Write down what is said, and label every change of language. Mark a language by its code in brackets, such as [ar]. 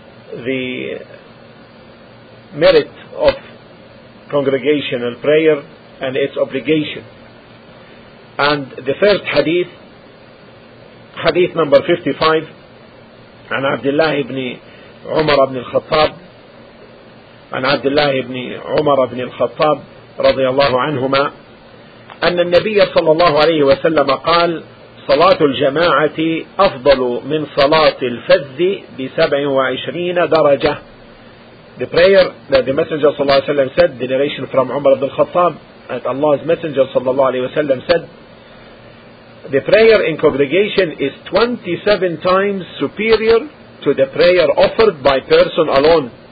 [en] The merit of congregational prayer and its obligation. And the first hadith, hadith number 55, [ar] عن عبد الله بن عمر بن الخطاب, عن عبد الله بن عمر بن الخطاب رضي الله عنهما, أن النبي صلى الله عليه وسلم قال: صلاة الجماعة أفضل من صلاة الفذ ب27 درجة. [en] The prayer that the Messenger [ar] صلى الله عليه وسلم [en] said, the narration from Umar ibn al-Khattab, that Allah's Messenger صلى الله عليه وسلم said, the prayer in congregation is 27 times superior to the prayer offered by person alone.